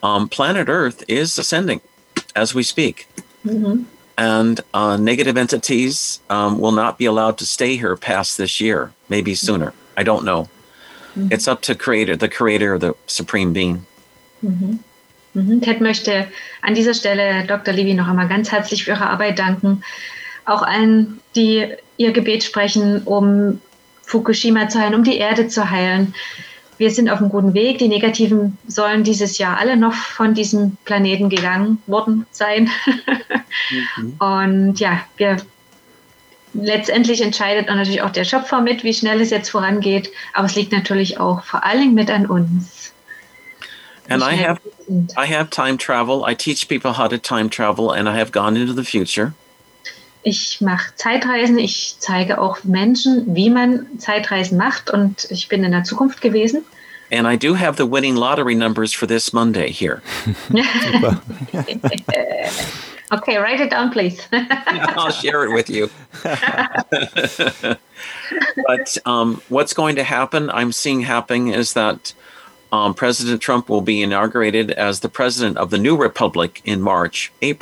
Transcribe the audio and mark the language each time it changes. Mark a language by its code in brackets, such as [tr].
[en] Planet Earth is ascending as we speak. Mm-hmm. And negative entities will not be allowed to stay here past this year, maybe sooner. I don't know. Mm-hmm. It's up to the creator, the supreme being. [de] Mm-hmm. Mm-hmm. Ted möchte an dieser Stelle Dr. Levy noch einmal ganz herzlich für ihre Arbeit danken. Auch allen, die ihr Gebet sprechen, um Fukushima zu heilen, um die Erde zu heilen. Wir sind auf einem guten Weg. Die Negativen sollen dieses Jahr alle noch von diesem Planeten gegangen worden sein. Mhm. Und ja, wir letztendlich entscheidet natürlich auch der Schöpfer mit, wie schnell es jetzt vorangeht. Aber es liegt natürlich auch vor allem mit an uns. [en] And I have time travel. I teach people how to time travel and I have gone into the future. [de] Ich mache Zeitreisen, ich zeige auch Menschen, wie man Zeitreisen macht, und ich bin in der Zukunft gewesen. [en] And I do have the winning lottery numbers for this Monday here. Okay, write it down, please. I'll share it with you. But what's going to happen, I'm seeing happening, is that President Trump will be inaugurated as the president of the new republic in March.